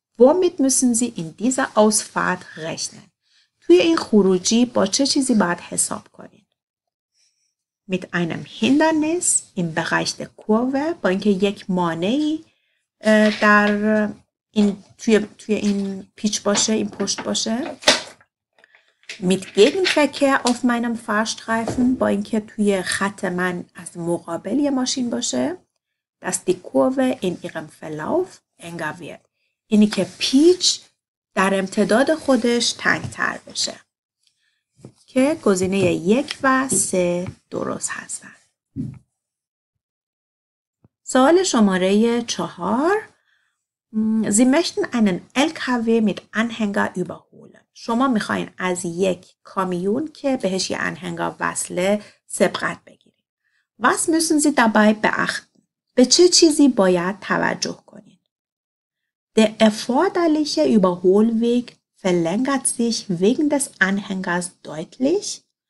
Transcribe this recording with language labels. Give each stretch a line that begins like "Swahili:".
German: Womit müssen Sie in dieser Ausfahrt rechnen?
Persian: توی این خروجی با چه چیزی باید حساب کنید؟
German: mit einem Hindernis im Bereich der Kurve،
Persian: با اینکه یک مانعی در این توی این پیچ باشه، این پشت باشه.
German: mit Gegenverkehr auf meinem Fahrstreifen،
Persian: با اینکه توی خط من از مقابل یه ماشین باشه.
German: dass die Kurve in ihrem Verlauf enger wird،
Persian: اینی که پیچ در امتداد خودش تنگ تر بشه. که گزینه یک و سه درست هستن. سوال شماره چهار.
German: Sie möchten einen LKW mit Anhänger überholen.
Persian: شما میخواین از یک کامیون که بهش یه انهنگر وصله سبقت بگیرید.
German: Was müssen Sie dabei beachten?
Persian: به چه چیزی باید توجه کنید؟
German: Der erforderliche Überholweg verlängert sich wegen des Anhängers deutlich.